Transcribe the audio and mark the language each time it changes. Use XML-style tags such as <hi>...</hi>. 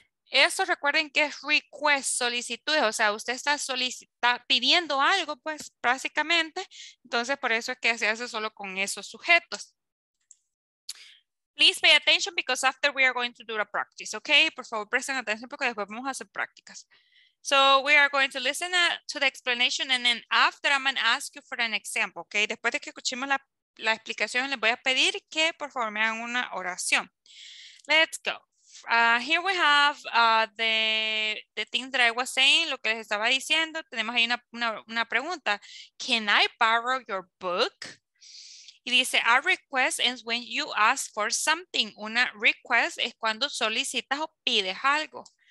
<es>Eso recuerden que es request, solicitud, o sea, usted está pidiendo algo, pues, básicamente, entonces por eso es que se hace solo con esos sujetos.</es> <en>Please pay attention because after we are going to do a practice, okay?</en> <es>Por favor, presten atención porque después vamos a hacer prácticas.</es> <en>So we are going to listen to the explanation and then after I'm going to ask you for an example, okay?</en> <es>Después de que escuchemos la explicación, les voy a pedir que por favor me hagan una oración.</es> <en>Let's go. Here we have the thing that I was saying,</en> <es>lo que les estaba diciendo. Tenemos ahí una pregunta.</es> <en>Can I borrow your book?</en> <es>Y dice,</es> <en>a request is when you ask for something.</en> <es>Una request es cuando solicitas o pides algo.</es>